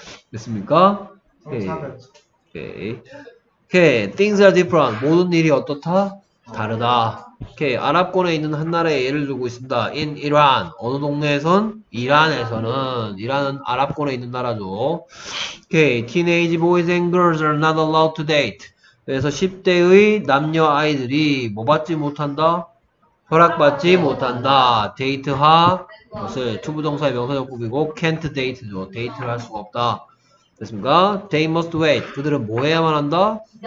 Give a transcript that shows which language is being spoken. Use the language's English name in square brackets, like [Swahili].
[Korean] 됐습니까? 오케이. [English] Things are different. [Korean] 모든 일이 어떻다? 다르다. 오케이. 아랍권에 있는 한 나라의 예를 들고 있습니다. [English] In Iran. [Korean] 어느 동네에선? 이란에서는. 이란은 아랍권에 있는 나라죠. 오케이. [English] Teenage boys and girls are not allowed to date. [Korean] 그래서 10대의 남녀 아이들이 뭐 받지 못한다? 허락받지 못한다. 데이트하? 그것을 투부정사의 명사적국이고 can't date죠. 데이트를 할 수가 없다. 됐습니까? [English] They must wait. [Korean] 그들은 뭐 해야만 한다?